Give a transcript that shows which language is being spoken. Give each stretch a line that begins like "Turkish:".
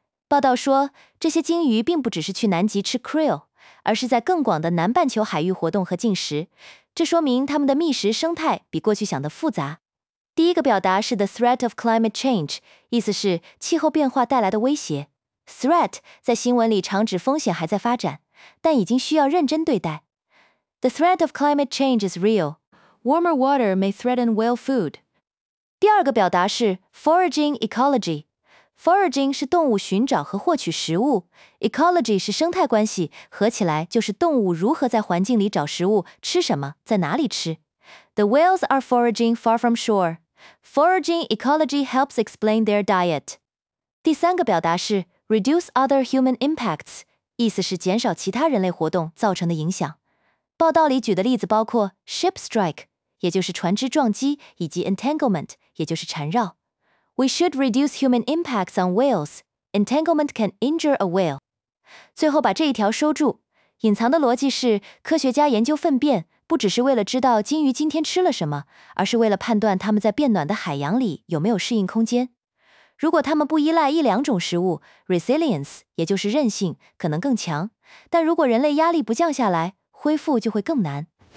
Chinese: 报道说，这些鲸鱼并不只是去南极吃 krill， 而是在更广的南半球海域活动和进食，这说明他们的觅食生态比过去想的复杂。第一个表达是
English: the threat of climate change，
Chinese: 意思是气候变化带来的威胁。 threat 在新闻里常指风险还在发展，但已经需要认真对待。
English: The threat of climate change is real. Warmer water may threaten whale food.
Chinese: 第二个表达是 foraging ecology。Foraging 是动物寻找和获取食物， ecology 是生态关系，合起来就是动物如何在环境里找食物，吃什么，在哪里吃。
English: The whales are foraging far from shore. Foraging ecology helps explain their diet.
Chinese: 第三个表达是
English: reduce other human impacts，
Chinese: 意思是减少其他人类活动造成的影响。报道里举的例子包括 ship strike， 也就是船只撞击，以及 entanglement， 也就是缠绕。
English: We should reduce human impacts on whales. Entanglement can injure a whale.
Chinese: 最后把这一条收住，隐藏的逻辑是科学家研究粪便不只是为了知道鲸鱼今天吃了什么，而是为了判断它们在变暖的海洋里有没有适应空间。如果它们不依赖一两种食物， resilience 也就是韧性可能更强，但如果人类压力不降下来，恢复就会更难。